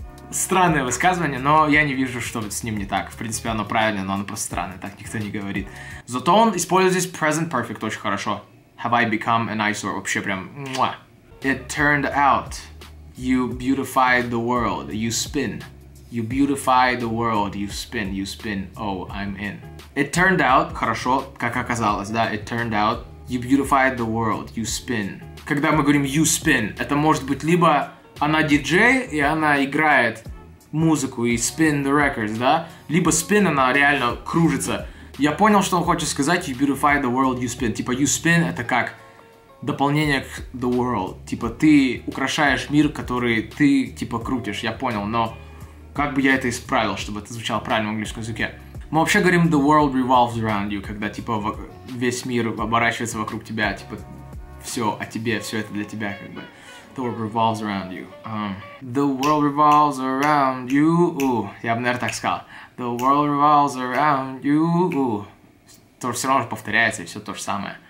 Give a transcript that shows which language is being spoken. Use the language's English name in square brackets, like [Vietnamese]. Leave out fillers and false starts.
[Russian] Странное высказывание, но я не вижу, что с ним не так. В принципе, оно правильное, но оно просто странное, так никто не говорит. Зато он использует здесь present perfect очень хорошо. [English] Have I become an eyesore? [Russian] Вообще прям... Муах. [English] It turned out, you beautified the world, you spin. You beautify the world, you spin, oh, I'm in. It turned out, [Russian] хорошо, как оказалось, да, [English] it turned out, you beautified the world, you spin. [Russian] когда мы говорим [English] you spin, [Russian] это может быть либо она диджей, и она играет музыку и [English] spin the records, [Russian] да? Либо spin, она реально кружится. Я понял, что он хочет сказать, [English] you beautify the world, you spin. [Russian] Типа, [English] you spin [Russian] — это как дополнение к the world. Типа, ты украшаешь мир, который ты, типа, крутишь. Я понял, но как бы я это исправил, чтобы это звучало правильно в английском языке? Мы вообще говорим [English] the world revolves around you, [Russian] когда, типа, весь мир оборачивается вокруг тебя, типа, все о тебе, все это для тебя, как бы. [English] The world revolves around you. The world revolves around you. [Russian] Я бы, наверное, так сказал. [English] The world revolves around you. [Russian] То все равно же повторяется, и все то же самое.